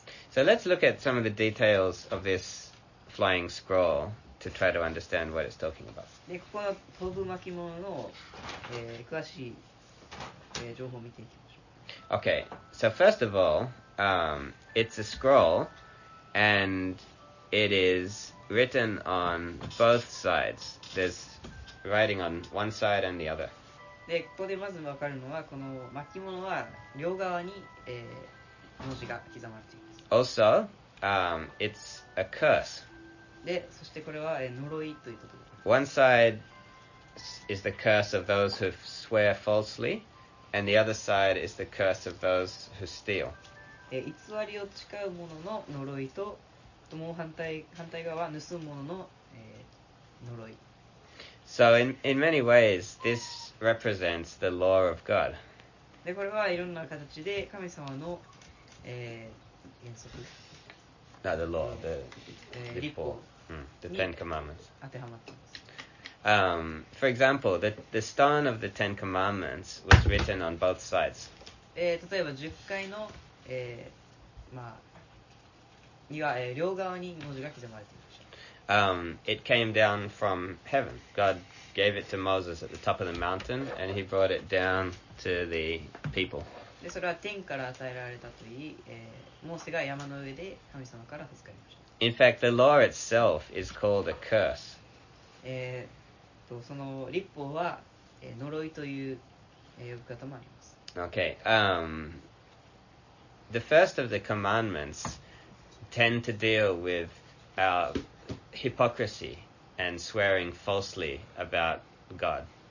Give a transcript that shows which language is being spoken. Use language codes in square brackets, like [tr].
[en] So let's look at some of the details of this flying scroll. To try to understand what it's talking about. [ja] でここの飛ぶ巻物の、詳しい、情報を見ていきましょう。 [en] Okay, so first of all, it's a scroll, and it is written on both sides. There's writing on one side and the other. [ja] で、ここでまず分かるのは、この巻物は両側に、文字が刻まれています。 [en] Also, it's a curse. [ja] で、そしてこれは、呪いということです。 [en] One side is the curse of those who swear falsely, and the other side is the curse of those who steal. [ja] 偽りを誓う者の呪いと、もう反対側は盗む者の、呪い。 [en] So in many ways, this represents the law of God. [ja] で、これはいろんな形で神様の、原則。 [en] No, the law, the law, the Ten Commandments. [ja] 当てはまってます。 [en] For example, the stone of the Ten Commandments was written on both sides. [ja] 例えば10回の、まあ、には、両側に文字が刻まれています。 [en] It came down from heaven. God gave it to Moses at the top of the mountain, and he brought it down to the people. [ja] で、それは天から与えられたといい、モーセが山の上で神様から授かりました。 [en] In fact, the law itself is called a curse. [ja] その律法は、呪いという、呼び方もあります。 [en] Okay. The first of the commandments tend to deal with our hypocrisy and swearing falsely about God.